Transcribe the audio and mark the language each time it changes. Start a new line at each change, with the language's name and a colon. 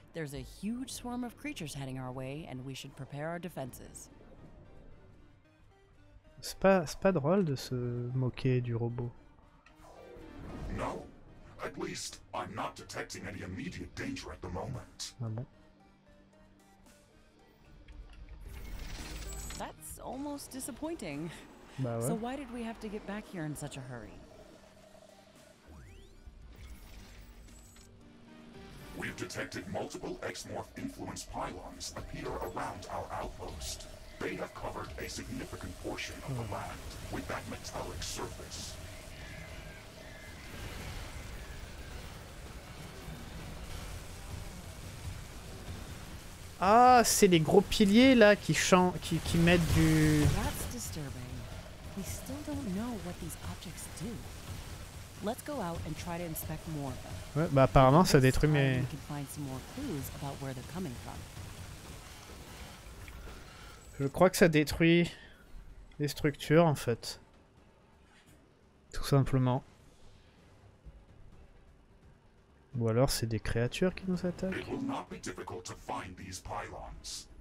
English: There's a huge swarm of creatures heading our way and we should prepare our defenses.
French: C'est pas drôle de se moquer du robot.
English: No. At least I'm not detecting any immediate danger at the moment.
French: Ah bon.
English: That's almost disappointing.
French: Bah ouais.
English: So why did we have to get back here in such a hurry? We've detected multiple X-Morph influence pylons appear around our outpost. They have covered a significant portion of the land with that metallic surface.
French: Ah, c'est les gros piliers là qui mettent du...
English: That's disturbing. We still don't know what these objects do. Let's go out and try to inspect more of them.
French: Ouais, bah apparemment ça détruit mes...
English: We can find some more clues about where they're coming from.
French: Je crois que ça détruit les structures en fait. Tout simplement. Ou alors c'est des créatures qui nous attaquent.
English: It will not be difficult to find these pylons.